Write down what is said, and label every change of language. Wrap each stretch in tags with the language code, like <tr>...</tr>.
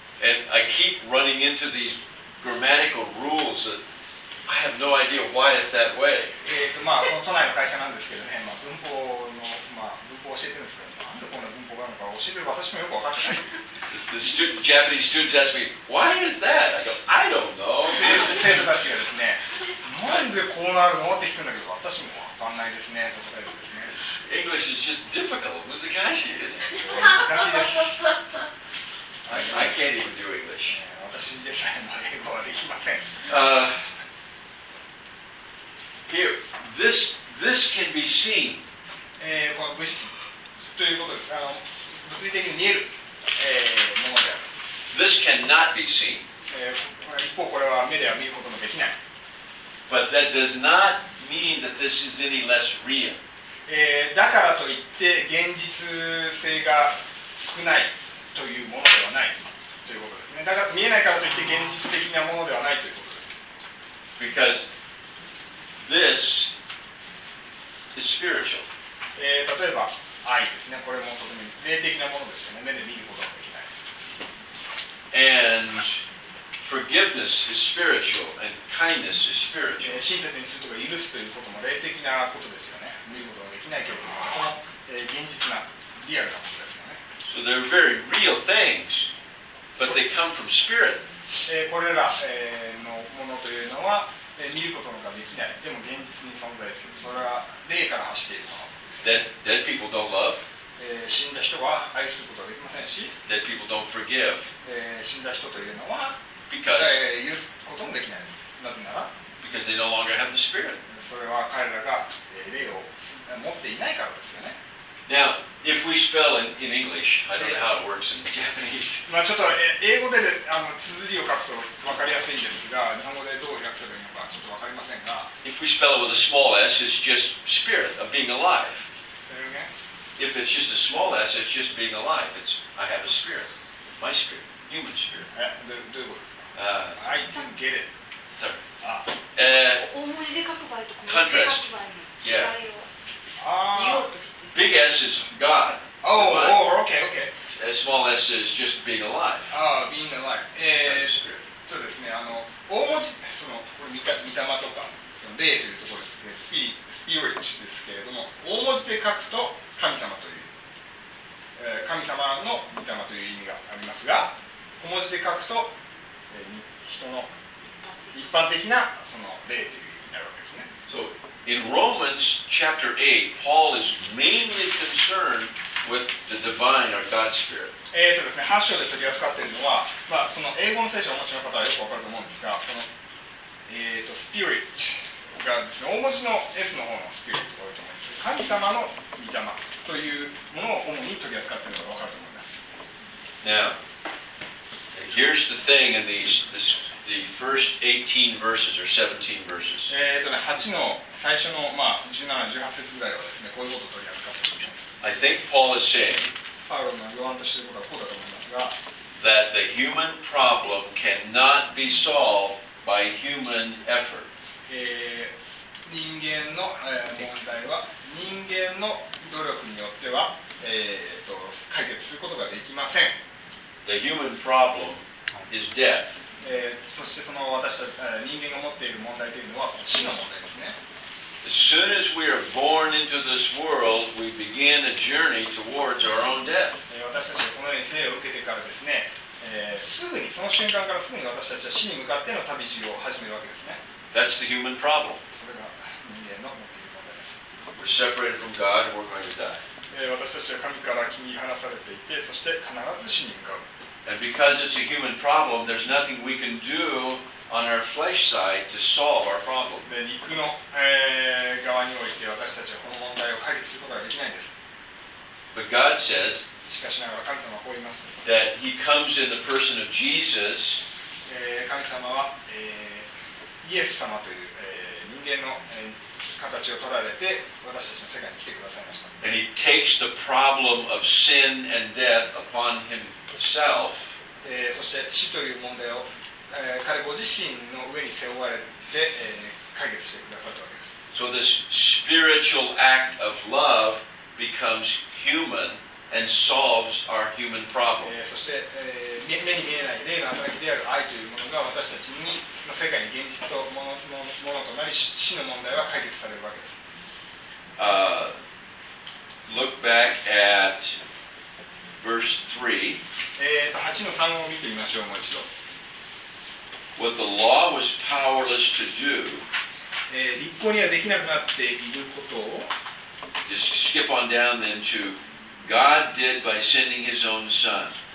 <en>And I keep running into these grammatical rules that. I have no idea why it's that way.</en> <ja>まあ、その都内の会社なんですけどね、まあ、文法の、まあ、文法を教えてるんですけど、なんでこんな文法があるのか教えてる私もよくわかってない。</ja> <en>The Japanese students ask me, why is that? I go, I don't know.</en> <ja>生徒たちがですね、なんでこうなるのって聞くんだけど、私もわかんないですね、と答えるんですね。</ja> <en>English is just difficult.</en> <ja>難しい。難しいです。</ja> <en>I can't even do English.</en> <ja>私でさえも英語はできません。</ja> <en>Here, this can be seen.</en> <ja>この物質ということです。物理的に見える、ものである。</ja> <en>This cannot be seen.</en> <ja>一方これは目では見ることもできない。</ja> <en>But that does not mean that this is any less real.</en> <ja>だからといって現実性が少ないというものではないということですね。ね。だから見えないからといって現実的なものではないということです。</ja> <en>Because this is spiritual.</en> <ja>例えば愛ですね。これもとても霊的なものですよね。目で見ることができない。</ja> <en>And forgiveness is spiritual and kindness is spiritual.</en> <ja>親切にするとか許すということも霊的なことですよね。見ることができないけれども、この現実なリアルなことですよね。</ja> <en>So they're very real things. But they come from spirit.</en> <ja>これらのものというのは見ることができない。でも現実に存在する。それは霊から発しているものです。</ja> <en>Dead people don't love.</en> <ja>死んだ人は愛することができませんし。</ja> <en>Dead people don't forgive.</en> <ja>死んだ人というのは</ja> <en>Because</en> <ja>許すこともできないです。なぜなら</ja> <en>Because they no longer have the spirit.</en> <ja>それは彼らが霊を持っていないからですよね。</ja> <en>Now, if we spell in English, I don't know how it works in Japanese.</en> <ja>まあちょっと英語で綴りを書くと分かりやすいんですが、日本語でどう訳せばいいのかちょっと分かりませんが。</ja> <en>If we spell it with a small s, it's just spirit of being alive. If it's just a small s, it's just being alive. It's I have a spirit, my spirit, human spirit.</en> <ja>どういうことですか?</ja> <en>I didn't get it. Sorry.</en> <ja>大文字で書く場合と小文字で書く場合の違いを言おうとして。</ja> <en>Big S is God. Okay. As small s is just being alive. Being alive.</en> <ja>そうですね。大文字、これ見たまとか、その霊というところですね。 Spirit ですけれども、大文字で書くと神様という、神様の見たまという意味がありますが、小文字で書くと、人の一般的なその霊という意味になるわけですね。</ja> <en>So,In Romans chapter 8, Paul is mainly concerned with the divine or God's spirit.</en> <ja>ですね、8章で取り扱っているのは、まあ、その英語の聖書をお持ちの方はよくわかると思うんですが、この、spirit がですね、大文字の S の方の spirit が多いと思います。神様の御霊というものを主に取り扱っているのがわかると思います。</ja> <en>Now, here's the thing in the first 18 verses or 17 verses.</en> <ja>8の最初の、まあ、17、18節ぐらいはですね、こういうことを取り扱っています。</ja> <en>I think Paul is saying</en> <ja>パウロが言わんとしていることはこうだと思いますが</ja> <en>that the human problem cannot be solved by human effort.</en> <ja>人間の問題は人間の努力によっては、解決することができません。</ja> <en>The human problem is death.</en> <ja>そしてその私たち人間が持っている問題というのは死の問題ですね。</ja> <en>As soon as we are born into this world, we begin a journey towards our own death.</en> <ja>私たちはこのように生を受けてからですね、すぐにその瞬間からすぐに私たちは死に向かっての旅路を始めるわけですね。</ja> <en>That's the human problem.</en> <ja>それが人間の持っている問題です。</ja> <en>We're separated from God and we're going to die.</en> <ja>私たちは神から切り離されていて、そして必ず死に向かう。</ja> <en>And because it's a human problem, there's nothing we can do on our flesh side to solve our problem.</en> <ja>で、肉の、側において私たちはこの問題を解決することができないんです。</ja> <en>But God says,</en> <ja>しかしながら神様はこう言います。</ja> <en>That he comes in the person of Jesus.</en> <ja>神様は、イエス様という、人間の、形を取られて私たちの世界に来てくださいました。</ja> <en>And he takes the problem of sin and death upon him. Self.</en> <ja>そして死という問題を、彼ご自身の上に背負われて、解決してくださったわけです。</ja> <en>So this spiritual act of love becomes human and solves our human problem.</en> <ja>そして、目に見えない霊の働きである愛というものが私たちにの世界に現実とものとなり死の問題は解決されるわけです。</ja> <en>Look back at Verse 3.</en> <ja>8の3を見てみましょう、もう一度。</ja> <en>What the law was powerless to do.</en> <ja>立法にはできなくなっていることを。</ja> <en>Just skip on down then to God did by sending His own Son.</en>